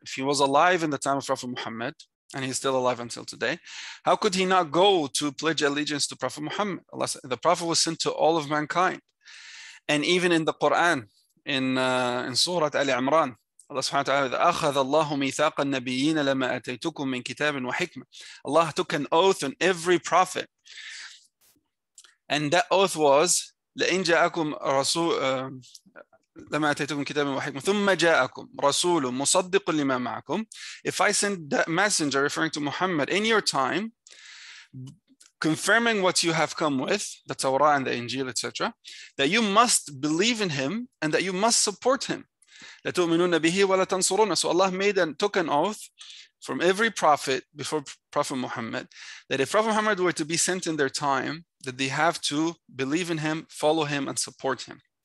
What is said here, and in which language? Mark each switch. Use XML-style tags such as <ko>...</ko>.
<en>If he was alive in the time of Prophet Muhammad, and he's still alive until today, how could he not go to pledge allegiance to Prophet Muhammad? The Prophet was sent to all of mankind. And even in the Quran, in Surah Ali Imran, Allah subhanahu wa ta'ala,</en> <ar>أَخَذَ اللَّهُ مِيثَاقَ النَّبِيِّينَ لَمَا أَتَيْتُكُمْ مِنْ كِتَابٍ وَحِكْمَةٍ.</ar> <en>Allah took an oath on every prophet. And that oath was,</en> <ar>لَإِنْ جَاءَكُمْ رَسُولٌ لَمَا أَتَيْتُكُمْ كِتَابٍ وَحِكْمَةٍ ثُمَّ جَاءَكُمْ رَسُولٌ مُصَدِّقٌ لِمَا مَعَكُمْ.</ar> <en>If I send that messenger, referring to Muhammad, in your time, confirming what you have come with, the Torah and the Injil, etc., that you must believe in him and that you must support him.</en> <ar>لَتُؤْمِنُونَ بِهِ وَلَتَنْصُرُونَ.</ar> <en>So Allah made and took an oath from every prophet before Prophet Muhammad that if Prophet Muhammad were to be sent in their time, that they have to believe in him, follow him, and support him.</en>